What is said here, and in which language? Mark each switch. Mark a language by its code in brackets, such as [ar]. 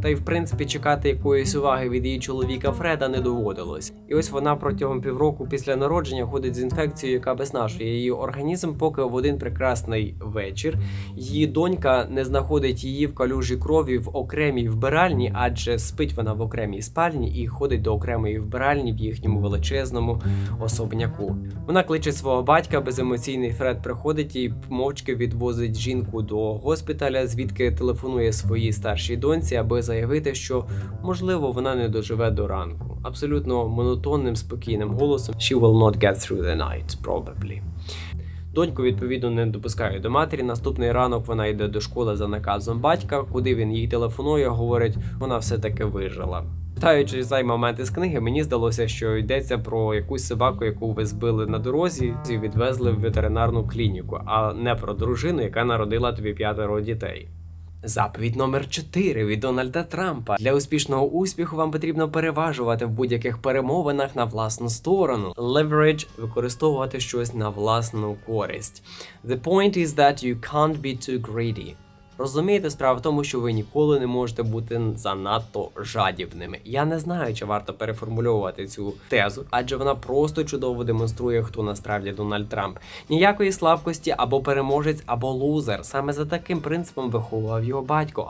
[uk] Та й в принципі чекати якоїсь уваги від її чоловіка Фреда не доводилось. І ось вона протягом півроку після народження ходить з інфекцією, яка виснажує її організм, поки в один прекрасний вечір її донька не знаходить її в калюжі крові в окремій вбиральні, адже спить вона в окремій спальні і ходить до окремої вбиральні в їхньому величезному особняку. Вона кличе свого батька, беземоційний Фред приходить і мовчки відвозить жінку до госпіталя, звідки телефонує своїй старшій донці, аби заявити, що можливо вона не доживе до ранку. Абсолютно монотонним спокійним голосом [en] «She will not get through the night, probably». [uk] Доньку, відповідно, не допускають до матері. Наступний ранок вона йде до школи за наказом батька, куди він їй телефонує, говорить, вона все-таки вижила. Питаючи цей момент із книги, мені здалося, що йдеться про якусь собаку, яку ви збили на дорозі і відвезли в ветеринарну клініку, а не про дружину, яка народила тобі 5 дітей. Заповідь номер 4 від Дональда Трампа. Для успішного успіху вам потрібно переважувати в будь-яких перемовинах на власну сторону. Leverage – використовувати щось на власну користь. [en] The point is that you can't be too greedy. [uk] Розумієте, справа в тому, що ви ніколи не можете бути занадто жадібними. Я не знаю, чи варто переформульовувати цю тезу, адже вона просто чудово демонструє, хто насправді Дональд Трамп. Ніякої слабкості або переможець, або лузер. Саме за таким принципом виховував його батько.